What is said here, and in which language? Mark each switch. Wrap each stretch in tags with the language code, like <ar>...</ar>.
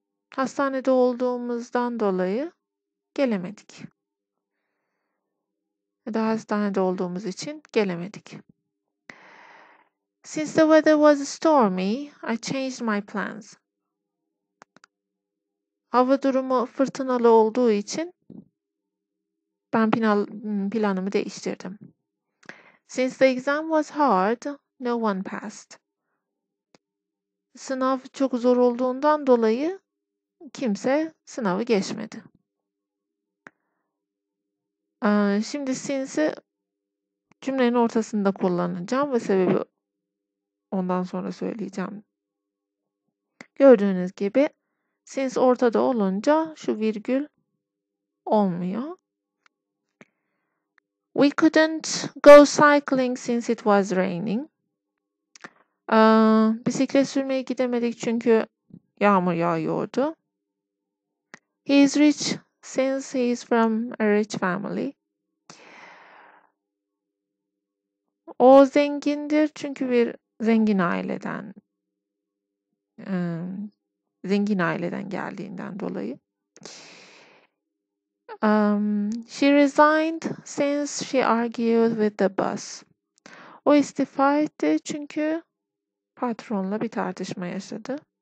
<tr>Hastanede olduğumuzdan dolayı gelemedik. Daha hastanede olduğumuz için gelemedik.</tr> <en>Since the weather was stormy, I changed my plans.</en> <tr>Hava durumu fırtınalı olduğu için ben planımı değiştirdim.</tr> <en>Since the exam was hard, no one passed.</en> <tr>Sınav çok zor olduğundan dolayı kimse sınavı geçmedi. Şimdi since'i cümlenin ortasında kullanacağım ve sebebi ondan sonra söyleyeceğim. Gördüğünüz gibi since ortada olunca şu virgül olmuyor.</tr> <en>We couldn't go cycling since it was raining.</en> <tr>Bisiklet sürmeye gidemedik çünkü yağmur yağıyordu.</tr> <en>He is rich since he is from a rich family.</en> <tr>O zengindir çünkü bir zengin aileden geldiğinden dolayı.</tr> <en>She resigned since she argued with the boss.</en> <tr>O istifa etti çünkü patronla bir tartışma yaşadı.</tr>